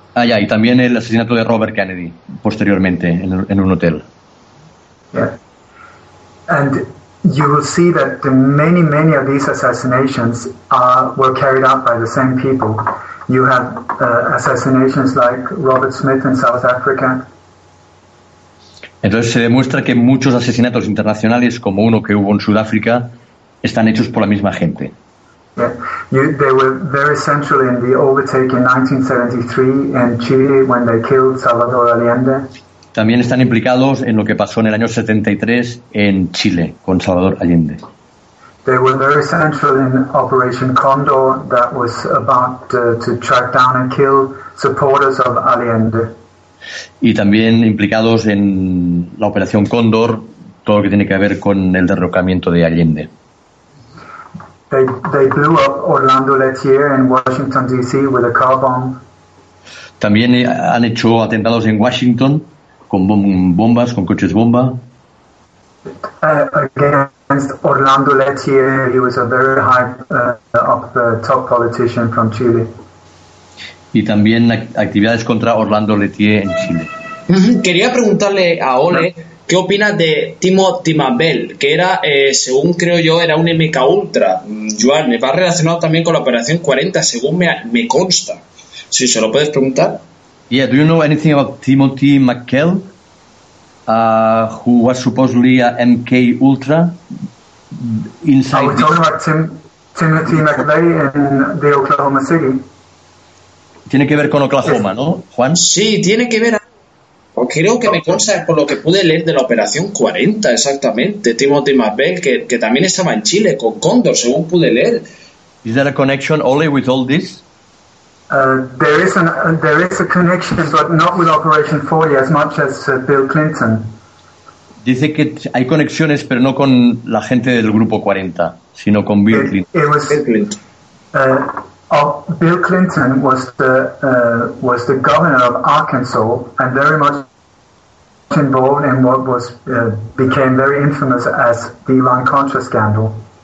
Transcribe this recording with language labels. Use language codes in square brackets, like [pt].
[es] Ah, yeah, y también el asesinato de Robert Kennedy posteriormente en un hotel. [en] Yeah. And you will see that the many, many of these assassinations were carried out by the same people. You have assassinations like Robert Smith in South Africa. [es] Entonces se demuestra que muchos asesinatos internacionales, como uno que hubo en Sudáfrica, están hechos por la misma gente. [en] Yeah, they were very central in the overtake in 1973 in Chile when they killed Salvador Allende. [es] También están implicados en lo que pasó en el año 73 en Chile con Salvador Allende. [en] They were very central in Operation Condor that was about to track down and kill supporters of Allende. [es] Y también implicados en la Operación Condor, todo lo que tiene que ver con el derrocamiento de Allende. [en] They blew up Orlando Letier in Washington D.C. with a car bomb. [es] También han hecho atentados en Washington con bombas, con coches bomba. [en] Against Orlando Letier, he was a very high top politician from Chile. [es] Y también actividades contra Orlando Letier en Chile. Quería preguntarle a Ole. ¿Qué opinas de Timothy Mabel, que era, según creo yo, era un MK Ultra? Joan, va relacionado también con la Operación 40, según me consta. Si se lo puedes preguntar. [en] Yeah, do you know anything about Timothy McKell, who was supposedly a MK Ultra inside? I was talking about Timothy McVeigh in the Oklahoma City. [es] Tiene que ver con Oklahoma, ¿no, Juan? Sí, tiene que ver. Creo que me consta por lo que pude leer de la Operación 40, exactamente, Timothy McVeigh, que también estaba en Chile con Condor, según pude leer. [en] Is there a connection only with all this? There is a connection, but not with Operation 40 as much as Bill Clinton. [es] Dice que hay conexiones, pero no con la gente del grupo 40, sino con Bill Clinton. [en] Bill Clinton was the governor of Arkansas and very much involved in what was became very infamous as the Iran-Contra scandal.